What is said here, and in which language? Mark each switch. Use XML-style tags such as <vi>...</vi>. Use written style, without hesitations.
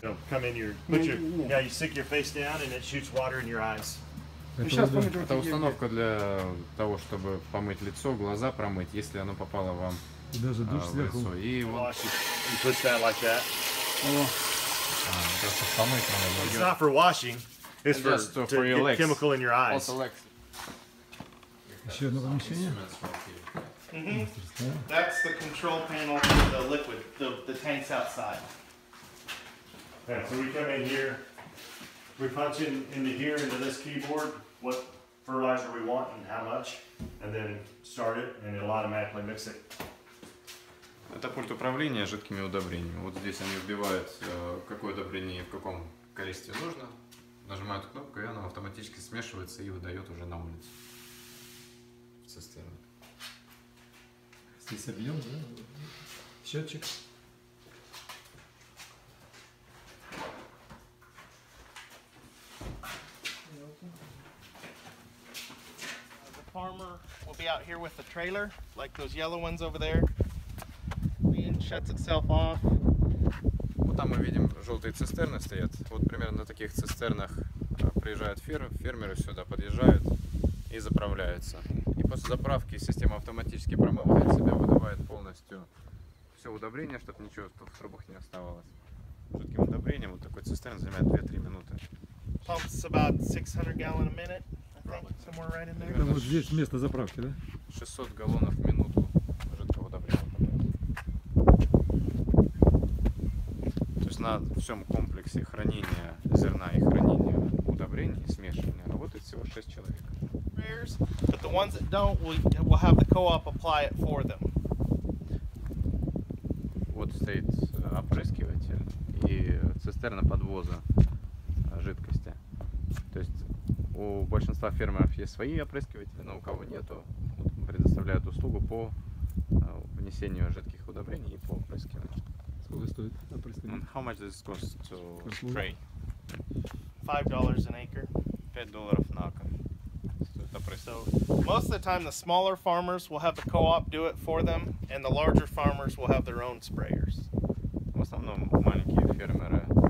<en>Come in, you stick your face down and it shoots water in your eyes.</en> <ru>Это установка для того, чтобы помыть лицо, глаза промыть, если оно попало вам даже душ в лицо. И вот.</ru> <en>Oh, like</en> <ru>просто помыть надо.</ru> <en>It's not for washing, it's for, to for your get legs. Chemical in your eyes.</en> <ru>Еще одно помещение.</ru> <en>That's the control panel for the liquid, the tanks outside. Yeah, so we come in here, we punch into here, into this keyboard. What fertilizer we want and how much, and then start it, and it'll automatically mix it.</en> <ru>Это пульт управления жидкими удобрениями. Вот здесь они вбивают, какое удобрение и в каком количестве нужно. Нажимают кнопку, и оно автоматически смешивается и выдает уже на улицу. В цистерну. Здесь объем, да? Счетчик.</ru> <en>Farmer will be out here with the trailer, like those yellow ones over there. The engine shuts itself off.</en> <ru>Вот там мы видим желтые цистерны стоят. Вот примерно на таких цистернах приезжают фермеры сюда, подъезжают и заправляются. И после заправки система автоматически промывает себя, выдувает полностью все удобрение, чтобы ничего в трубах не оставалось. Жидким удобрением вот такой цистерн занимает 2-3 минуты.</ru> <en>Pumps about 600 gallon a minute. Right in there.</en> <ru>Это вот здесь место заправки, да? 600 галлонов в минуту жидкого удобрения. То есть на всем комплексе хранения зерна и хранения удобрений, смешивания, работает всего 6 человек.</ru> <en>But the ones that don't, we'll have the co-op apply it for them.</en> <ru>Вот стоит опрыскиватель и цистерна подвоза жидкости. То есть у большинства фермеров есть свои опрыскиватели, но у кого нету, вот, предоставляют услугу по внесению жидких удобрений и по опрыскиванию. Сколько стоит опрыскивание?</ru> <en>How much does it cost to spray? $5 an acre.</en> <ru>$5 на акр. Стоит опрыскивание.</ru> <en>So, most of the time the smaller farmers will have the co-op do it for them, and the larger farmers will have their own sprayers.</en> <ru>В основном маленькие фермеры.</ru>